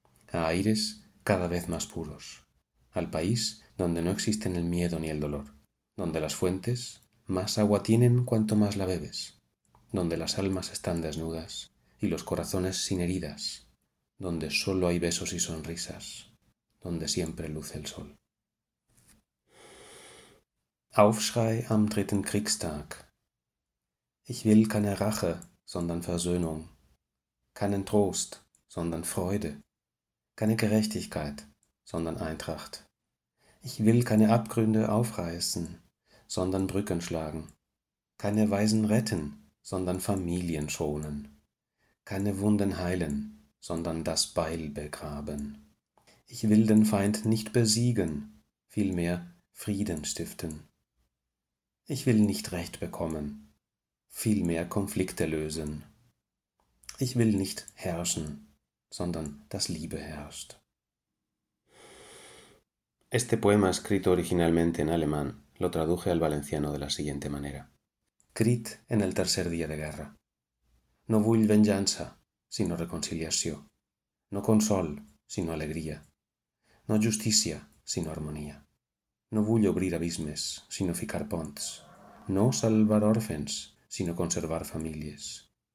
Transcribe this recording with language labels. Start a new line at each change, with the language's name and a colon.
Spanish: a aires cada vez más puros, al país donde no existen el miedo ni el dolor, donde las fuentes más agua tienen cuanto más la bebes, donde las almas están desnudas y los corazones sin heridas, donde solo hay besos y sonrisas, donde siempre luce el sol.
German: Aufschrei am dritten Kriegstag. Ich will keine Rache, sondern Versöhnung, keinen Trost, sondern Freude. Keine Gerechtigkeit, sondern Eintracht. Ich will keine Abgründe aufreißen, sondern Brücken schlagen. keine Waisen retten, sondern Familien schonen, keine Wunden heilen, sondern das Beil begraben. Ich will den Feind nicht besiegen, vielmehr Frieden stiften. Ich will nicht Recht bekommen, vielmehr Konflikte lösen. Ich will nicht herrschen, sondern dass Liebe herrscht.
Spanish: Este poema, escrito originalmente en alemán, lo traduje al valenciano de la siguiente manera.
Catalan: Crit en el tercer día de guerra. No vull venjança, sinó reconciliació. No consol, sinó alegria. No justícia, sinó harmonia. No vull obrir abismes, sinó ficar ponts. No salvar orfens, sinó conservar famílies.